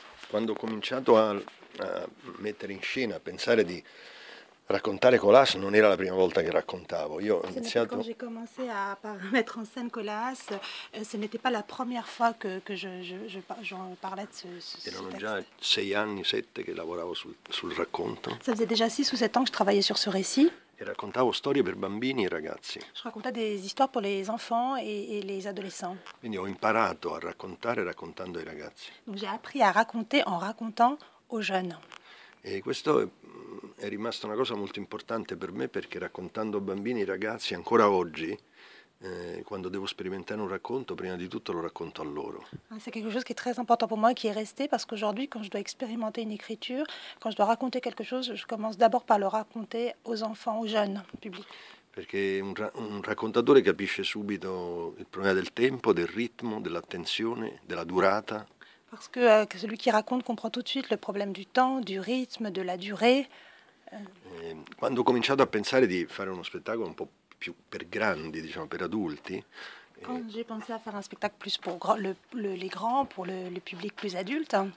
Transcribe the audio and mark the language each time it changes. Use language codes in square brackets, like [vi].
[fr] Quand j'ai commencé à mettre en scène, à penser à [it] raccontare Colas non era la prima volta che raccontavo. Io ho iniziato. [fr] Quando j'ai commencé à mettre en scène Colas, ce n'était pas la première fois que je parlais de ce texte. [it] Erano già sette anni che lavoravo sul racconto. [fr] Ça faisait déjà 6 ou 7 ans que je travaillais sur ce récit. [it] E raccontavo storie per bambini e ragazzi. [fr] Je racontais des histoires pour les enfants et les adolescents. [it] Quindi ho imparato a raccontare raccontando ai ragazzi. [fr] Donc j'ai appris à raconter en racontant aux jeunes. [it] E questo è rimasta una cosa molto importante per me perché raccontando bambini e ragazzi ancora oggi quando devo sperimentare un racconto prima di tutto lo racconto a loro. [fr] C'est quelque chose qui est très important pour moi qui est resté parce qu'aujourd'hui quand je dois expérimenter une écriture, quand je dois raconter quelque chose, je commence d'abord par le raconter aux enfants, aux jeunes, au public. [it] Perché un raccontatore capisce subito il problema del tempo, del ritmo, dell'attenzione, della durata. [fr] Parce que celui qui raconte comprend tout de suite le problème du temps, du rythme, de la durée. Quand j'ai commencé à penser de faire un spectacle un peu plus pour grands, disons, pour adultes. Quand j'ai pensé à faire un spectacle plus pour les grands, pour le public plus adulte.